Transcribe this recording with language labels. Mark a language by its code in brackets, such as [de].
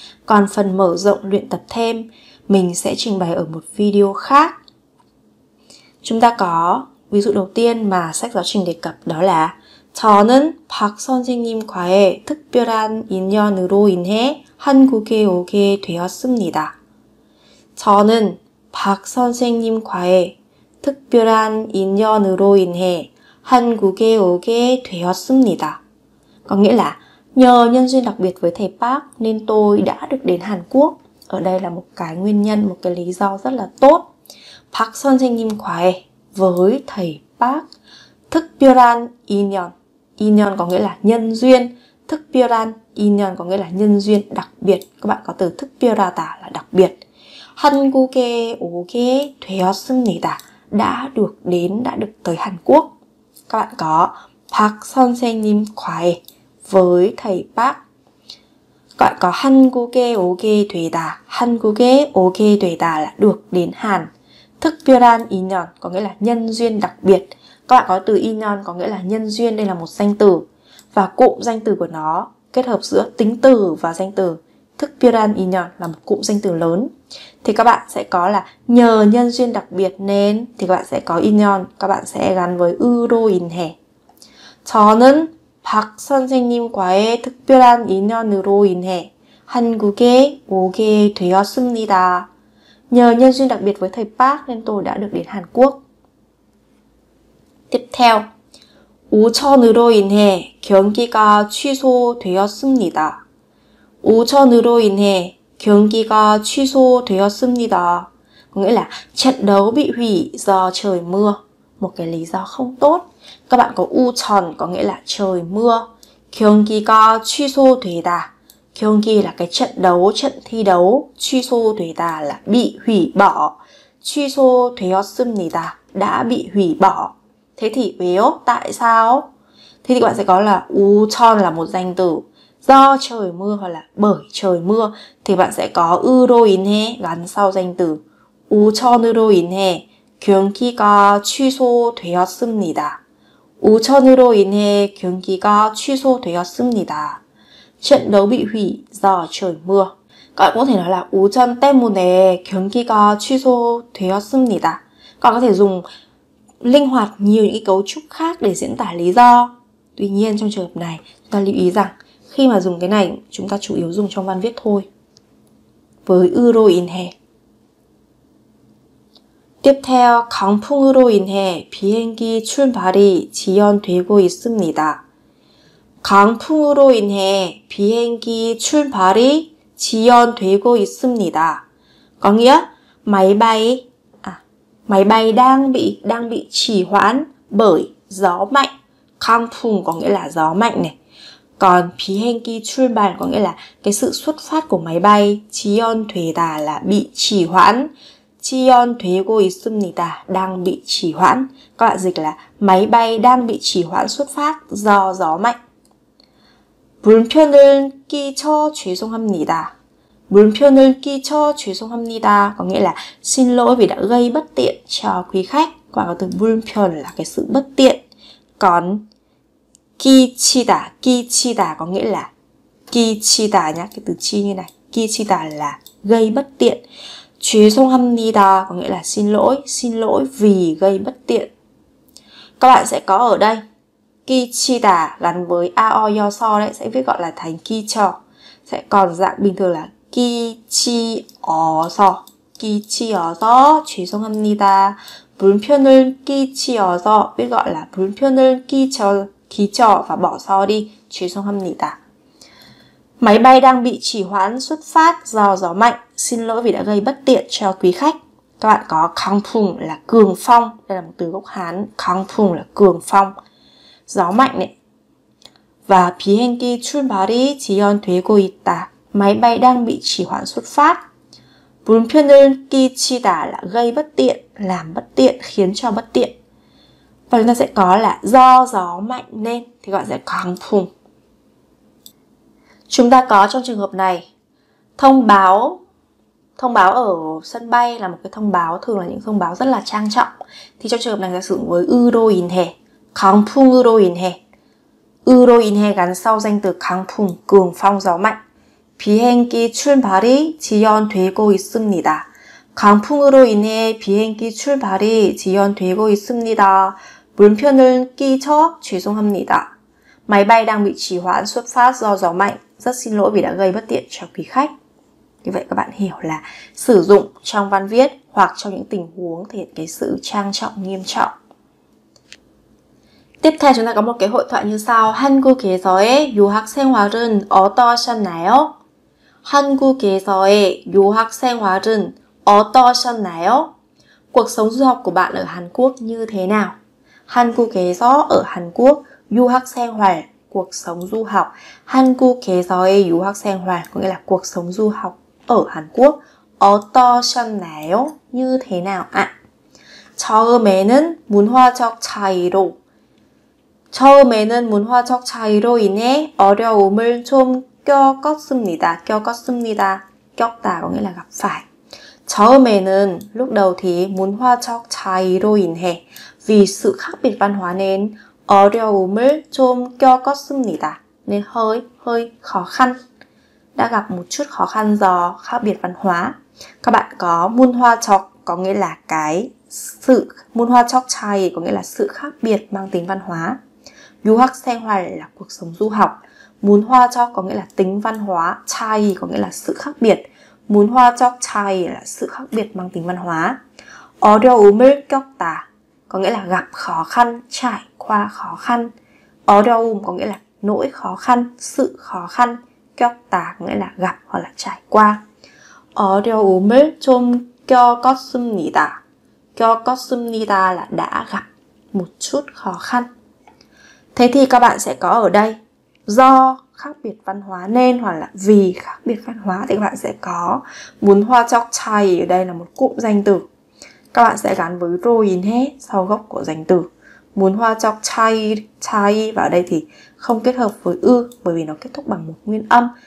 [vi] Còn phần mở rộng luyện tập thêm, mình sẽ trình bày ở một video khác. Chúng ta có ví dụ đầu tiên mà sách giáo trình đề cập, đó là [ko] 저는 박 선생님과의 특별한 인연으로 인해 한국에 오게 되었습니다. 저는 박 선생님과의 특별한 인연으로 인해 한국에 오게 되었습니다. [vi] Có nghĩa là nhờ nhân duyên đặc biệt với thầy Park nên tôi đã được đến Hàn Quốc. Ở đây là một cái nguyên nhân, một cái lý do rất là tốt. Park [ko] 선생님 과에, [vi] với thầy Park. [ko] 특별한 인연, [vi] 인연 có nghĩa là nhân duyên. [ko] 특별한 인연 [vi] có nghĩa là nhân duyên đặc biệt. Các bạn có từ 특별하다 là đặc biệt. [ko] 한국에 오게 되었습니다. [vi] Đã được đến, đã được tới Hàn Quốc. Các bạn có [ko] 박 선생님 과에, [vi] với thầy Park. Các bạn có [ko] 한국에 오게 되다. [vi] 한국에 오게 되다 là được đến Hàn. [ko] 특별한 인연 [vi] có nghĩa là nhân duyên đặc biệt. Các bạn có từ 인연 có nghĩa là nhân duyên, đây là một danh từ. Và cụm danh từ của nó kết hợp giữa tính từ và danh từ. [ko] 특별한 인연 [vi] là một cụm danh từ lớn. Thì các bạn sẽ có là nhờ nhân duyên đặc biệt nên, thì các bạn sẽ có 인연, các bạn sẽ gắn với [ko] 으로인 해. 저는 박 선생님과의 특별한 인연으로 인해 한국에 오게 되었습니다. [vi] Nhờ nhân duyên đặc biệt với thầy Park nên tôi đã được đến Hàn Quốc. Tiếp theo, [ko] 우천으로 인해 경기가 취소되었습니다. 우천으로 인해 경기가 취소되었습니다. [vi] Có nghĩa là trận đấu bị hủy do trời mưa, một cái lý do không tốt. Các bạn có 우천 có nghĩa là trời mưa. [ko] 경기가 취소되다. [vi] 경기 là cái trận đấu, trận thi đấu. 취소되다 là bị hủy bỏ. 취소되었습니다 đã bị hủy bỏ. Thế thì vì요? Tại sao? Thế thì các bạn sẽ có là 우천 là một danh từ. Do trời mưa hoặc là bởi trời mưa thì bạn sẽ có [ko] 으로인 해 [vi] gắn sau danh từ. [ko] 우천으로인 해 경기가 취소되었습니다. 우천으로인 해 경기가 취소되었습니다. [vi] Trận đấu bị hủy do trời mưa. Các bạn có thể nói là [ko] 우천 때문에 경기가 취소되었습니다. [vi] Các bạn có thể dùng linh hoạt nhiều những cái cấu trúc khác để diễn tả lý do. Tuy nhiên trong trường hợp này, chúng ta lưu ý rằng khi mà dùng cái này, chúng ta chủ yếu dùng trong văn viết thôi. [ko] Với 으로 인해. [vi] Tiếp theo, [ko] 강풍으로 인해 비행기 출발이 지연되고 있습니다. 강풍으로 인해 비행기 출발이 지연되고 있습니다. [vi] Có nghĩa máy bay đang bị trì hoãn bởi gió mạnh. 강풍 có nghĩa là gió mạnh này. Còn [ko] 비행기 출발 [vi] có nghĩa là cái sự xuất phát của máy bay. 지연되다 là bị trì hoãn. [ko] 지연되고 있습니다 [vi] đang bị trì hoãn. Các bạn dịch là máy bay đang bị trì hoãn xuất phát do gió mạnh. [ko] 불편을 끼쳐 죄송합니다. 불편을 끼쳐 죄송합니다 [vi] có nghĩa là xin lỗi vì đã gây bất tiện cho quý khách. Quả có từ 불편 là cái sự bất tiện. Còn 끼치다, 끼치다 có nghĩa là 끼치다 nhá, cái từ chi như này. 끼치다 là gây bất tiện. 죄송합니다 có nghĩa là xin lỗi vì gây bất tiện. Các bạn sẽ có ở đây 끼치다 gắn với a o yo so đấy sẽ viết gọi là thành 끼쳐. Sẽ còn dạng bình thường là 끼치어서. [ko] 끼치어서 죄송합니다. 불편을 끼치어서 [vi] viết gọi là [ko] 불편을 끼쳐 끼쳐 [vi] và bỏ so đi [ko] 죄송합니다. [vi] Máy bay đang bị trì hoãn xuất phát do gió mạnh. Xin lỗi vì đã gây bất tiện cho quý khách. Các bạn có 강풍 là cường phong. Đây là một từ gốc Hán. 강풍 là cường phong. Gió mạnh này. [ko] Và 비행기 출발이 지연되고 있다. [vi] Máy bay đang bị trì hoãn xuất phát. [ko] 불편을 끼치다 [vi] là gây bất tiện, làm bất tiện, khiến cho bất tiện. Và chúng ta sẽ có là do gió mạnh nên thì gọi là 강풍. Chúng ta có trong trường hợp này thông báo ở sân bay là một cái thông báo, thường là những thông báo rất là trang trọng. Thì trong trường hợp này sẽ sử dụng với [ko] 으로 인해, 강풍으로 인해. 으로 인해 [vi] gắn sau danh từ 강풍, cường phong gió mạnh. [ko] 비행기 출발이 지연되고 있습니다. 강풍으로 인해 비행기 출발이 지연되고 있습니다. 불편을 끼쳐 죄송합니다. [vi] Máy bay đang bị trì hoãn xuất phát do gió mạnh. Rất xin lỗi vì đã gây bất tiện cho quý khách. Như vậy các bạn hiểu là sử dụng trong văn viết hoặc trong những tình huống thể hiện cái sự trang trọng, nghiêm trọng. Tiếp theo chúng ta có một cái hội thoại như sau. [ko] 한국에서의 유학 생활은 어떠셨나요? 한국에서의 유학 생활은 어떠셨나요? [vi] Cuộc sống du học của bạn ở Hàn Quốc như thế nào? 한국에서 ở Hàn Quốc, [ko] 유학 생활, [vi] cuộc sống du học. [ko] 한국에서의 유학 생활 [vi] có nghĩa là cuộc sống du học ở Hàn Quốc. 어떠셨나요? Như thế nào ạ? [ko] 처음에는 문화적 차이로 처음에는 문화적 차이로 인해 어려움을 좀 겪었습니다. 겪었습니다. [vi] 겪다 có nghĩa là gặp phải. 처음에는 lúc đầu thì [ko] 문화적 차이로 인해 [vi] vì sự khác biệt văn hóa nên [ko] 어려움을 좀 겪었습니다. [vi] Nên hơi khó khăn. Đã gặp một chút khó khăn do khác biệt văn hóa. Các bạn có 문화적 có nghĩa là cái sự [ko] 문화적 차이 [vi] có nghĩa là sự khác biệt mang tính văn hóa. [ko] 유학 생활 [vi] là cuộc sống du học. 문화적 có nghĩa là tính văn hóa. 차이 có nghĩa là sự khác biệt. [ko] 문화적 차이 [vi] là sự khác biệt mang tính văn hóa. [ko] 어려움을 겪다 [vi] có nghĩa là gặp khó khăn, trải qua khó khăn. 어려움 có nghĩa là nỗi khó khăn, sự khó khăn. 겪다 có nghĩa là gặp hoặc là trải qua. [ko] 어려움을 좀 겪었습니다. [vi] 겪었습니다 là đã gặp một chút khó khăn. Thế thì các bạn sẽ có ở đây do khác biệt văn hóa nên hoặc là vì khác biệt văn hóa thì các bạn sẽ có [ko] 문화적 차이 [vi] ở đây là một cụm danh từ. Các bạn sẽ gắn với [ko] 으로 인해 [vi] sau gốc của danh từ [ko] 문화적 차이 [vi] và ở đây thì không kết hợp với 으 bởi vì nó kết thúc bằng một nguyên âm.